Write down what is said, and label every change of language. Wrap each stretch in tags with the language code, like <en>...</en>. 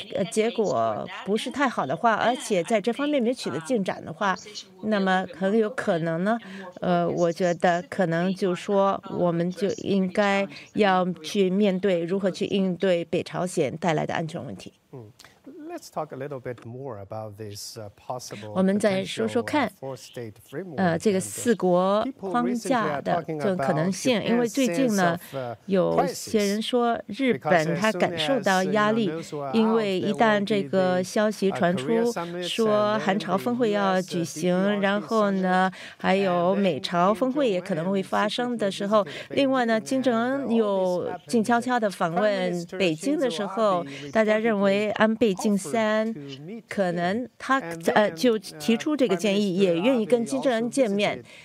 <zh>结果不是太好的话，而且在这方面没取得进展的话，那么很有可能呢我觉得可能就说我们就应该要去面对如何去应对北朝鲜带来的安全问题。</zh> <en>Let's talk a little bit more about this possible.</en> <zh>我们再说说看，这个四国框架的这种可能性。因为最近呢，有些人说日本他感受到压力，因为一旦这个消息传出，说韩朝峰会要举行，然后呢，还有美朝峰会也可能会发生的时候，另外呢，金正恩又静悄悄的访问北京的时候，大家认为安倍晋三可能他就提出这个建议，也愿意跟金正恩见面。</zh>